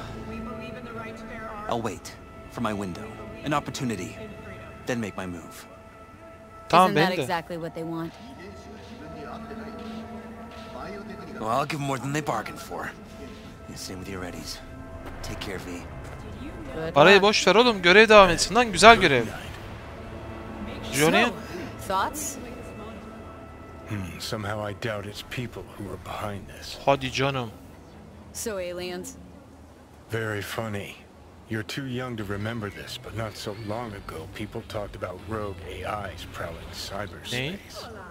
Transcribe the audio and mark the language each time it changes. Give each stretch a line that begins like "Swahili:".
English: We believe in the right to bear arms. I'll wait for my window, an opportunity, then make my move.
Turkish: Tamam,
English: isn't that exactly what they want? Well, I'll give more than they bargained for. Same with your Eddies. Take care of me.
Turkish: Parayı boş ver oğlum, görev devam etsin lan, güzel görev.
English: Johnny. Thoughts? Somehow I doubt it's people who are behind this.
Turkish: Hadi canım.
English: So aliens. Very funny. You're too young to remember this, but not so long ago, people talked about rogue AIs prowling cyberspace.